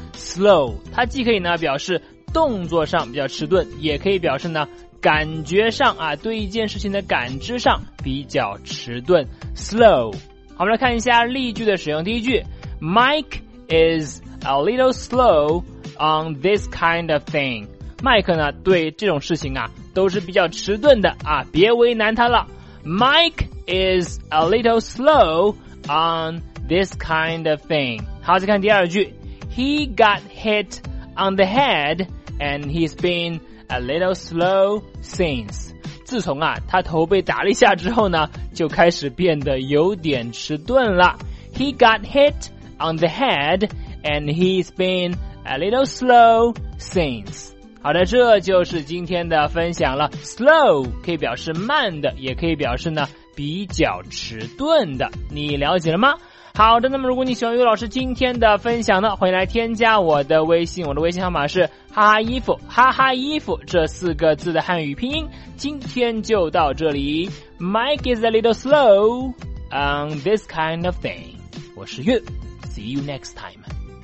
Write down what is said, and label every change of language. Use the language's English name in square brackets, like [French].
[Chinese] slow 它既可以呢表示动作上比较迟钝，也可以表示呢感觉上啊，对一件事情的感知上比较迟钝。 [English] slow。 [Chinese] 好，我们来看一下例句的使用。第一句， [English] Mike is a little slow on this kind of thing。 [Chinese] 麦克呢对这种事情啊都是比较迟钝的啊，别为难他了。 [English] Mike is a little slow on this kind of thing。 [Chinese] 好，再看第二句， [English] He got hit on the head and he's beena little slow since。 [Chinese] 自从啊他头被打了一下之后呢，就开始变得有点迟钝了。 [English] He got hit on the head and he's been a little slow since。 [Chinese] 好的，这就是今天的分享了。slow 可以表示慢的，也可以表示呢比较迟钝的，你了解了吗？好的，那么如果你喜欢于老师今天的分享呢，欢迎来添加我的微信，我的微信号码是哈哈衣服，哈哈衣服这四个字的汉语拼音。今天就到这里， [English] Mike is a little slow on this kind of thing。 [Chinese] 我是月， [English] See you next time。